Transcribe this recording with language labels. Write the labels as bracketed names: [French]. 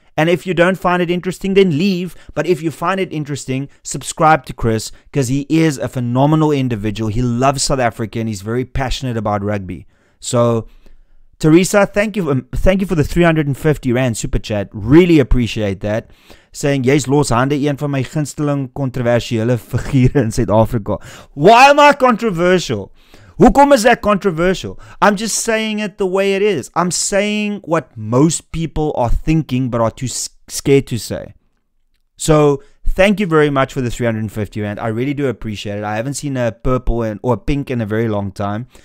[English] And if you don't find it interesting, then leave. But if you find it interesting, subscribe to Chris, because he is a phenomenal individual. He loves South Africa, and he's very passionate about rugby. So Teresa, thank you for the 350 rand super chat. Really appreciate that. [Afrikaans] Saying, jy's loshande een van my gunsteling controversiële figure in Suid-Afrika. [English] Why am I controversial? [Afrikaans] Hoekom [English] is that controversial? I'm just saying it the way it is. I'm saying what most people are thinking but are too scared to say. So thank you very much for the 350 rand. I really do appreciate it. I haven't seen a purple or a pink in a very long time.